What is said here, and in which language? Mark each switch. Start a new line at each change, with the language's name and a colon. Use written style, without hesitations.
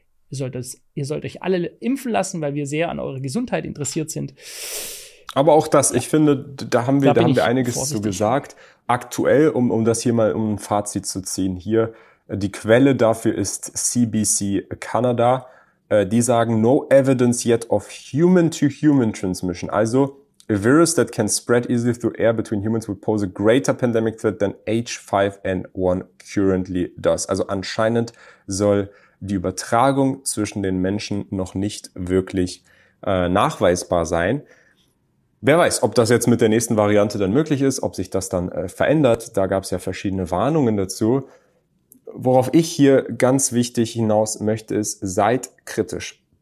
German: Und ihr sollt euch alle impfen lassen, weil wir sehr an eure Gesundheit interessiert sind. Aber auch das, ja. Ich finde, da haben wir einiges zu gesagt. Aktuell, um das hier mal um ein Fazit zu ziehen, hier, die Quelle dafür ist CBC Canada. Die sagen,
English: no evidence yet of human-to-human transmission. Also, a virus that can spread easily through air between humans would pose a greater pandemic threat than H5N1 currently does.
German: Also anscheinend soll die Übertragung zwischen den Menschen noch nicht wirklich nachweisbar sein. Wer weiß, ob das jetzt mit der nächsten Variante dann möglich ist, ob sich das dann verändert. Da gab es ja verschiedene Warnungen dazu. Worauf ich hier ganz wichtig hinaus möchte, ist, seid kritisch.